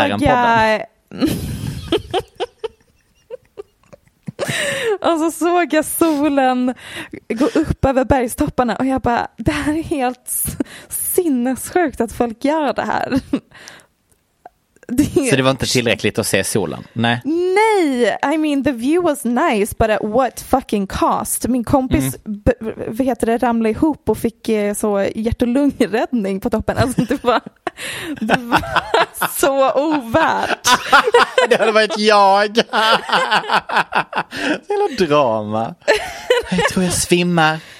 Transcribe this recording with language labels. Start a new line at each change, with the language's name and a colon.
Swedish: såg jag och så såg jag solen gå upp över bergstopparna och jag bara, det här är helt sinnessjukt att folk gör det här. Det. Så det var inte tillräckligt att se solen? Nej.
English: Nej, I mean the view was nice, but at what fucking cost?
Swedish: Min kompis ramlade ihop och fick så hjärt- och lungräddning på toppen. Alltså det var så ovärt. Det hade varit jag. Hela drama. Jag tror jag svimmar.